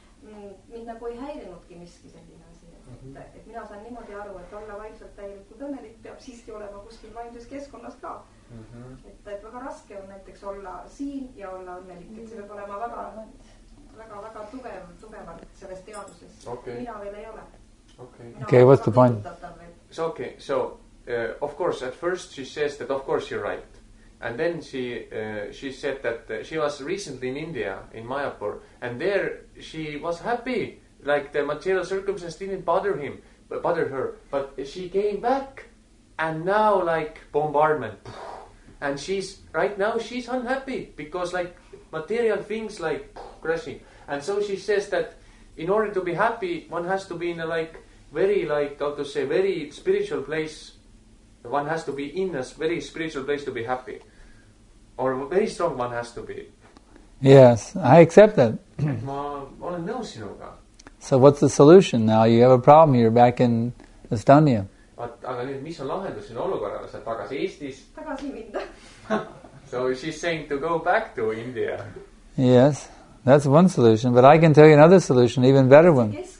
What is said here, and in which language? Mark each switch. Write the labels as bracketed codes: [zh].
[et] Mind nagu ei häirinudki miski selline asi, et mina saan niimoodi aru, et olla vaimselt täielikult õnnelik peab siiski olema kuskil vaimses keskkonnas ka. Mm-hmm. Et väga raske on näiteks olla siin ja olla õnnelik, et see peab olema väga, väga, väga tugevalt selles teaduses. [en] Okay. [et] Mina veel ei ole. [en] Okay, what's the point? So, okay, so, of course, at first she says that of course you're right. And then she said that she was recently in India, in Mayapur, and there she was happy, like the material circumstances didn't bother her. But she came back, and now like bombardment, and she's right now she's unhappy because like material things like crashing, and so she says that in order to be happy, one has to be in a like very like how to say very spiritual place. One has to be in a very spiritual place to be happy. Or very strong one has to be. Yes, I accept that. [et] Ma olen nõus sinuga. [en] So what's the solution now? You have a problem, you're back in Estonia. [et] Aga nüüd, mis on lahendus sinu olukorrale? Sa tagasi Eestis? Tagasi minda. [en] So she's saying to go back to India. Yes, that's one solution. But I can tell you another solution, even better one.